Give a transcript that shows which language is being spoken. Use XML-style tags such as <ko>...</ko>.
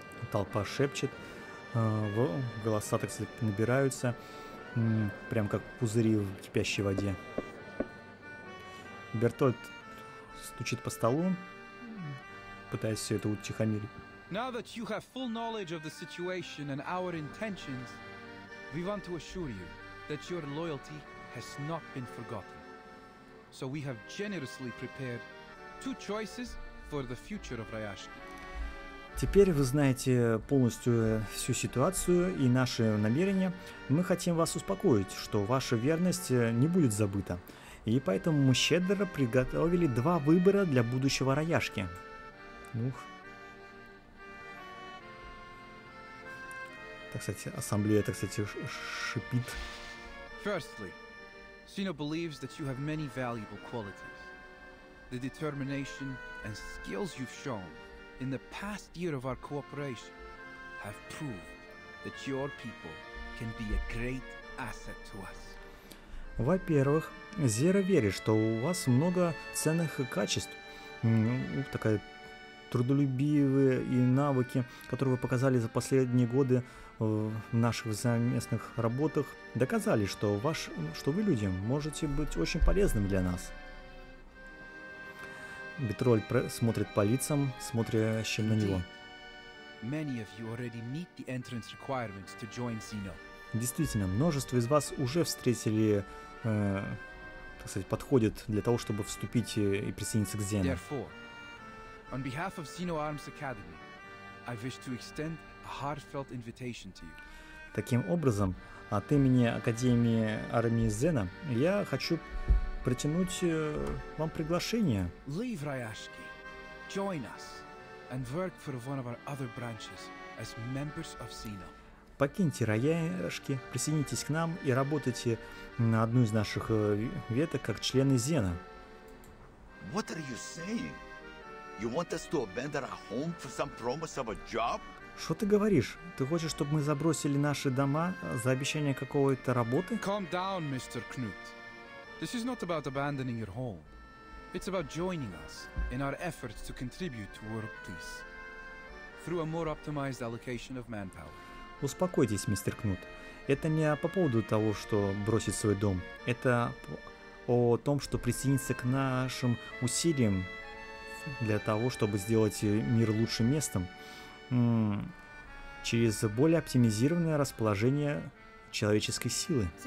<ru>Толпа шепчет, голоса так сказать набираются, прям как пузыри в кипящей воде. Бертольд стучит по столу, пытаясь все это утихомирить.</ru> <en>Now that you have full knowledge of the situation and our intentions, we want to assure you that your loyalty has not been forgotten. So we have generously prepared two choices for the future of Rayashki.</en> <ru>Теперь вы знаете полностью всю ситуацию и наши намерения. Мы хотим вас успокоить, что ваша верность не будет забыта. И поэтому мы щедро приготовили два выбора для будущего Рояшки. Ух. Так, кстати, ассамблея, так, кстати, шипит.</ru> <en>Firstly, Sino believes that you have many valuable qualities. The determination and skills you've shown in the past year of our cooperation have proved that your people can be a great asset to us.</en> <ru>Во-первых, Зера верит, что у вас много ценных качеств. Такая трудолюбивые и навыки, которые вы показали за последние годы в наших совместных работах, доказали, что вы людям можете быть очень полезным для нас. Бетроль смотрит по лицам, смотрящим на него.</ru> <en>Many of you already meet the entrance requirements to join Xeno.</en> <ru>Действительно, множество из вас уже встретили, так сказать, подходит для того, чтобы вступить и присоединиться к Xeno.</ru> <en>Therefore, on behalf of Xeno Arms Academy, I wish to extend a heartfelt invitation to you.</en> <ru>Таким образом, от имени Академии Армии Зена я хочу протянуть вам приглашение.</ru> <en>Leave Rayashki, join us, and work for one of our other branches as members of Xeno.</en> <ru>Покиньте Рояшки, присоединитесь к нам и работайте на одну из наших веток как члены Зена.</ru> <en>What are you saying? You want us to abandon our home for some promise of a job?</en> <ru>Что ты говоришь? Ты хочешь, чтобы мы забросили наши дома за обещание какой-то работы?</ru> <en>Calm down, Mr. Knut. This is not about abandoning your home. It's about joining us in our efforts to contribute to world peace through a more optimized allocation of manpower.</en> <ru>Успокойтесь, мистер Кнут. Это не по поводу того, что бросить свой дом. Это о том, что присоединиться к нашим усилиям для того, чтобы сделать мир лучшим местом через более оптимизированное расположение человеческой силы.</ru>